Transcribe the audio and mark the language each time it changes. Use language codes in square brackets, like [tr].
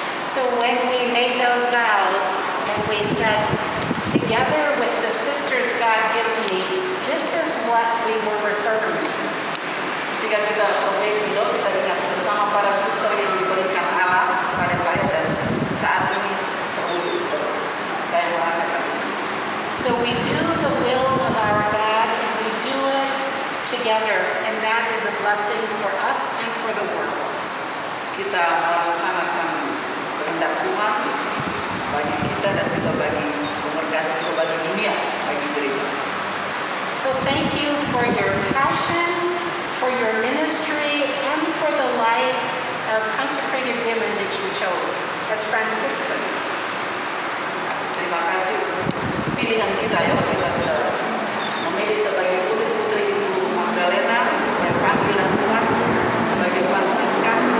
[en] So when we made those vows and we said, together with the sisters God gives me, this is what we were referring to. [id] Ketika kita profesi itu, kita ingat bersama para suster yang diberikan Allah kepada saya dan saat ini perlu saya merasakan. [en] So we do the will of our God and we do it together, and that is a blessing for us and for the world. [id] Kita melaksanakan kehendak Tuhan bagi kita dan juga bagi pemerintah atau bagi dunia, bagi gereja. [en] So thank you for your passion, for your ministry, and for the life of consecrated women that you chose as Franciscans. [id] Terima kasih untuk pilihan kita ya, kita sudah memilih sebagai putri-putri Ibu Magdalena, sebagai panggilan Tuhan, sebagai Fransiska.